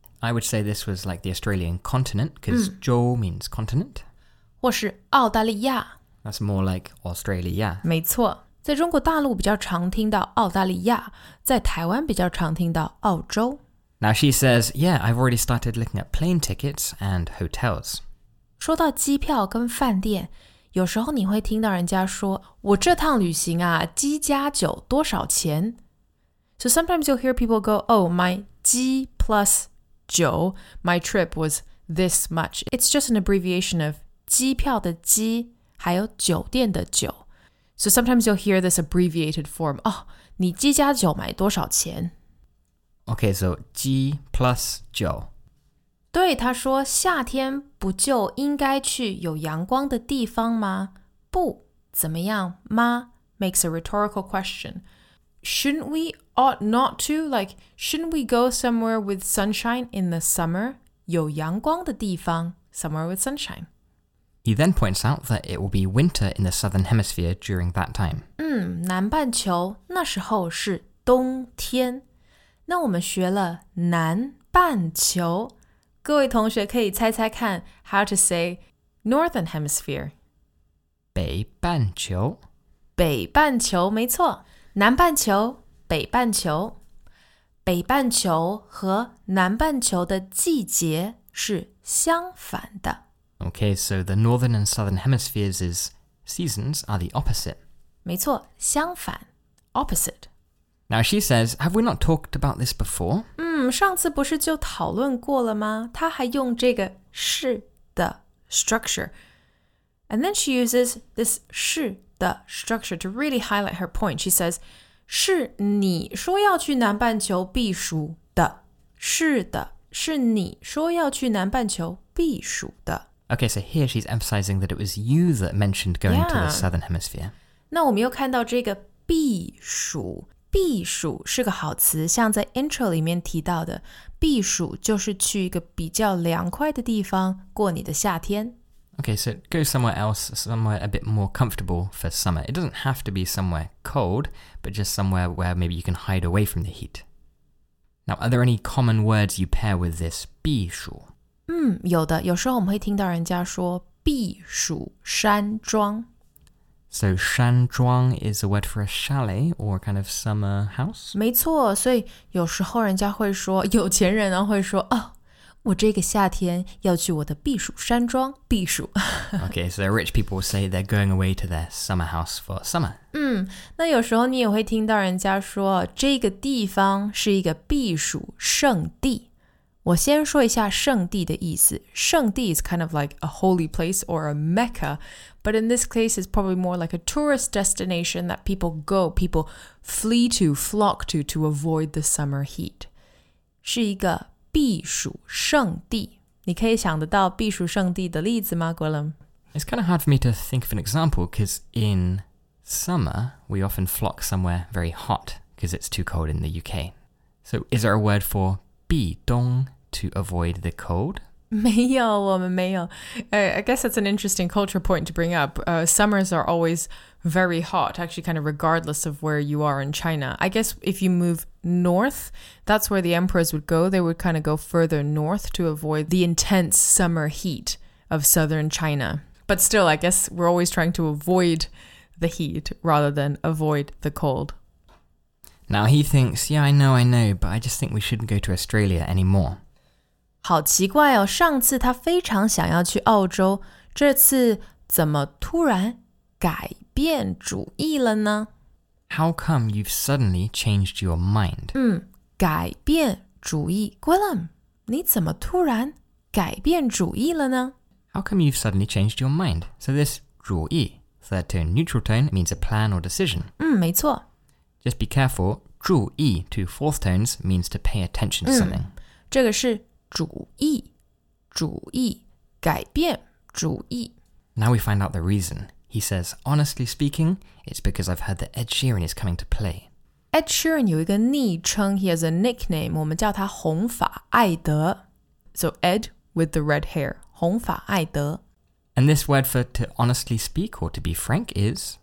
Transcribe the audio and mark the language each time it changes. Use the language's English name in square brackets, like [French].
[English] I would say this was like the Australian continent, because 洲 means continent. [Chinese] 或是澳大利亚。 [English] That's more like Australia. [Chinese] 没错，在中国大陆比较常听到澳大利亚，在台湾比较常听到澳洲。 [English] Now she says, yeah, I've already started looking at plane tickets and hotels. [Chinese] 说到机票跟饭店，有时候你会听到人家说，我这趟旅行啊，机加酒多少钱？ [English] So sometimes you'll hear people go, oh, my 机 plus 酒, my trip was this much. It's just an abbreviation of [Chinese] 机票的机，还有酒店的酒。 [English] So sometimes you'll hear this abbreviated form, oh, [Chinese] 你机加酒买多少钱？ [English] Okay, so 机 plus 酒。 [Chinese] 对，他说夏天不就应该去有阳光的地方吗？不，怎么样吗？ [English] Makes a rhetorical question. Shouldn't we ought not to? Like, shouldn't we go somewhere with sunshine in the summer? [Chinese] 有阳光的地方， [English] somewhere with sunshine. He then points out that it will be winter in the southern hemisphere during that time. [Chinese] 南半球那时候是冬天。那我们学了南半球，各位同学可以猜猜看 [English] how to say Northern Hemisphere. [Chinese] 北半球。北半球，没错。南半球，北半球。北半球和南半球的季节是相反的。 [English] Okay, so the Northern and Southern Hemispheres' seasons are the opposite. [Chinese] 没错，相反。 [English] Opposite. Now she says, have we not talked about this before? [Chinese] 上次不是就讨论过了吗？她还用这个是的 [English] structure. And then she uses this [Chinese] 是 [English] the structure to really highlight her point. She says, [Chinese] 是你说要去南半球避暑的。是的，是你说要去南半球避暑的。 [English] Okay, so here she's emphasizing that it was you that mentioned going to the southern hemisphere. [Chinese] 那我们又看到这个避暑，避暑是个好词，像在 intro 里面提到的，避暑就是去一个比较凉快的地方过你的夏天。 [English] Okay, so go somewhere else, somewhere a bit more comfortable for summer. It doesn't have to be somewhere cold, but just somewhere where maybe you can hide away from the heat. Now, are there any common words you pair with this 避暑？ [Chinese] 有的，有时候我们会听到人家说避暑山庄。 [English] So, 山庄 is a word for a chalet or kind of summer house? [Chinese] 没错，所以有时候人家会说，有钱人呢会说，哦，我这个夏天要去我的避暑山庄避暑。 [English] Okay, so rich people say they're going away to their summer house for summer. [Chinese] 那有时候你也会听到人家说，这个地方是一个避暑圣地。我先说一下圣地的意思。 [English] 圣地 is kind of like a holy place or a mecca, but in this case, it's probably more like a tourist destination that people go, people flee to, flock to avoid the summer heat. [Chinese] 是一个避暑圣地。你可以想得到避暑圣地的例子吗 ,Gwilym? [English] It's kind of hard for me to think of an example, because in summer, we often flock somewhere very hot, because it's too cold in the UK. So is there a word for... 避冬 to avoid the cold? 没有，我们没有。 I guess that's an interesting culture point to bring up. Summers are always very hot, actually kind of regardless of where you are in China. I guess if you move north, that's where the emperors would go. They would kind of go further north to avoid the intense summer heat of southern China. But still, I guess we're always trying to avoid the heat rather than avoid the cold. Now he thinks, yeah, I know, but I just think we shouldn't go to Australia anymore. [Chinese] 好奇怪哦，上次他非常想要去澳洲，这次怎么突然改变主意了呢？ [English] How come you've suddenly changed your mind? [Chinese] 改变主意。Gwilym, 你怎么突然改变主意了呢？ [English] How come you've suddenly changed your mind? So this 主意, third tone, neutral tone, means a plan or decision. [Chinese] 没错。 [English] Just be careful, 注意 to fourth tones means to pay attention to something. [Chinese] 这个是主意,主意,改变主意。 [English] Now we find out the reason. He says, honestly speaking, it's because I've heard that Ed Sheeran is coming to play. [Chinese] Ed Sheeran 有一个昵称, [English] he has a nickname, [Chinese] 我们叫他红发艾德。 [English] So Ed with the red hair, 红发艾德。 And this word for to honestly speak or to be frank is?